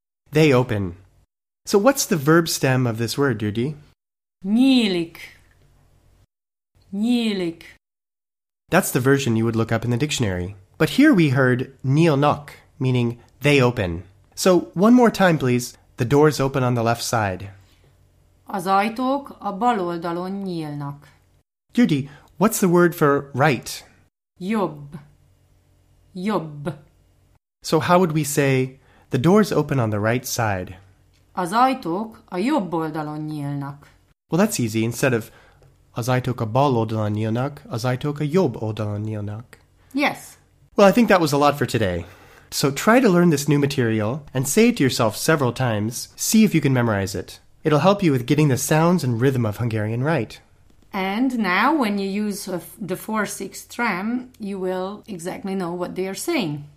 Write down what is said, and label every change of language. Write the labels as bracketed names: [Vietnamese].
[English] They open. So what's the verb stem of this word, Judy? [Hungarian] Nyílik. Nyílik. [English] That's the version you would look up in the dictionary. But here we heard nyílnak, meaning they open. So one more time, please. The doors open on the left side. [Hungarian] Az ajtók a bal oldalon nyílnak. [English] Judy, what's the word for right? [Hungarian] Jobb. Jobb. [English] So how would we say the doors open on the right side? [Hungarian] Az ajtók a jobb oldalon nyílnak. [English] Well, that's easy. Instead of [Hungarian] az ajtók a bal oldalon nyílnak, az ajtók a jobb oldalon nyílnak. [English] Yes. Well, I think that was a lot for today. So try to learn this new material and say it to yourself several times. See if you can memorize it. It'll help you with getting the sounds and rhythm of Hungarian right. And now when you use the 4-6 tram, you will exactly know what they are saying.